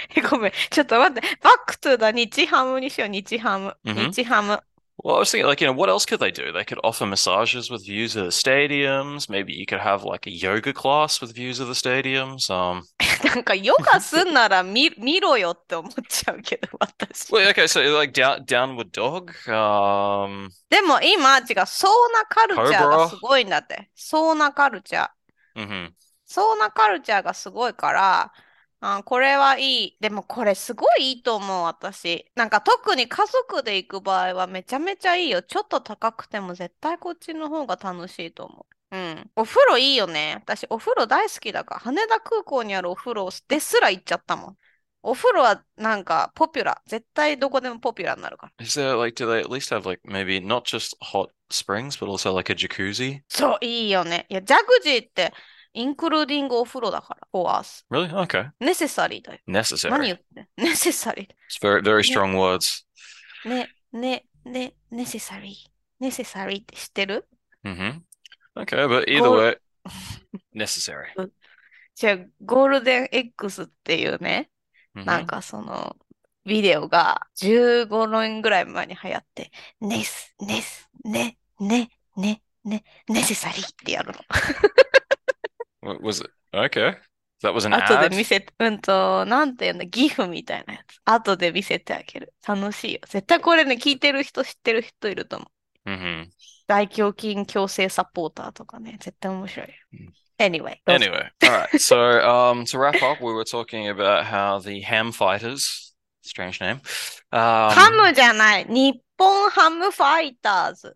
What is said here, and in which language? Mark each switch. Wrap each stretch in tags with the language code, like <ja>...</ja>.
<ja>ごめん、ちょっと待って、バックトゥーだ、日ハムにしよう、日ハム。</ja> <en>Well, I was thinking, like, what else could they do? They could offer massages with views of the stadiums. Maybe you could have like a yoga class with views of the stadiums.</en> <ja>なんかヨガすんなら見ろよって思っちゃうけど、私。</ja> <en>Well, okay, so like downward dog,</en> <ja>でも今、違う、そうなカルチャーがすコブラ。ごいんだって、そうなカルチャー。そうなカルチャーがすごいから、あ、これはいい。でもこれすごいいいと思う、私。なんか特に家族で行く場合はめちゃめちゃいいよ。ちょっと高くても絶対こっちの方が楽しいと思う。うん。お風呂いいよね。私お風呂大好きだから、羽田空港にあるお風呂ですら行っちゃったもん。お風呂はなんかポピュラー。絶対どこでもポピュラーになるから。</ja> <en>Is there like, do they at least have like maybe not just hot springs, but also like a jacuzzi?</en> <ja>そう、いいよね。いや、ジャグジーってインクルーディングお風呂だから、フォアース。</ja> <en>Really? Okay.</en> <ja>ネセサリーだよ。何</ja> <en>Necessary.</en> <ja>言ってんの？ネセサリー。</ja> <en>It's very, very strong words. ネセサリー。</en> <ja>ネセサリーって知ってる？</ja> <en>Okay, but either way, necessary.</en> <ja>じゃあ、ゴールデン X っていうね、なんかその、ビデオが15年ぐらい前に流行って、ネス、ネス、ネ、ネ、ネ、ネ、ネセサリーってやるの。</ja> <en>Was it okay? That was an</en> <ja>後で見</ja> <en>ad?</en> <ja>せ、なんていうの、ギフみたいなやつ。後で見せてあげる。楽しいよ。絶対これね、聞いてる人、知ってる人いると思う。大胸筋矯正サポーターとかね、絶対面白い。</ja> <en>Anyway, go for Anyway, all right. it. So, to wrap up, we were talking about how the Ham Fighters, strange name.</en> <ja>ハムじゃない。日本ハムファイターズ。</ja>